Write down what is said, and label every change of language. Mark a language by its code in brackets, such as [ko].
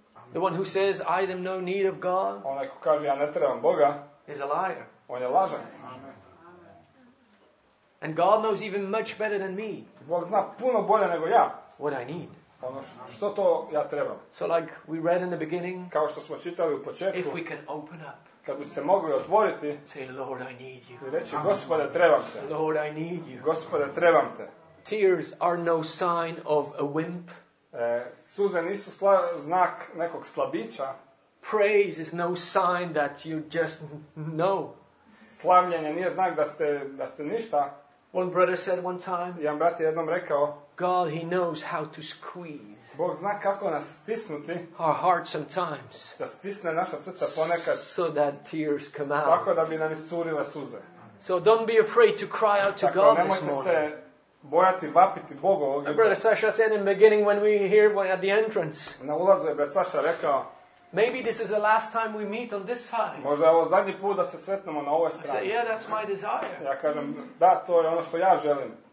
[en] The one who says I have no need of God. [hr] Onaj ko kaže ja ne trebam Boga. [en] Is a liar. [hr] On je lažac. [en] And God knows even much better than me. [hr] Bog zna puno bolje nego ja. [en] What I need. [hr] Ono što to ja trebam. [en] So like we read in the beginning. [hr] Kao što smo čitali u početku. [en] If we can open up. [hr] Kad bi se mogli otvoriti. [en] Say, Lord, I need you. [hr] I reći, Gospode, trebam te. [en] Lord, I need you. [hr] Gospode, trebam te. [en] Tears are no sign of a wimp. [hr] Suze nisu znak nekog slabića. [en] Praise is no sign that you just know. [hr] Slavljenje nije znak da ste ništa. [en] One brother said one time. [hr] Jedan brat je jednom rekao. [en] God, he knows how to squeeze. [hr] Bog zna kako nas stisnuti. [en] Our hearts sometimes. [hr] Da stisne naša srca ponekad. [en] So that tears come out. [hr] Tako da bi nam iscurile suze. [en] So don't be afraid to cry out to God this morning. [hr] Tako nemojte se bojati vapiti Bogu ovog jutra. [en] Brother Sasha said in the beginning when we here at the entrance. [hr] Na ulazu je brat Sasha rekao. [en] Maybe this is the last time we meet on this side. [hr] Možda ovo zadnji put da se sretnemo na ovoj strani. [en] I say, yeah, that's my desire. [hr] Ja kažem, da, to je ono što ja želim.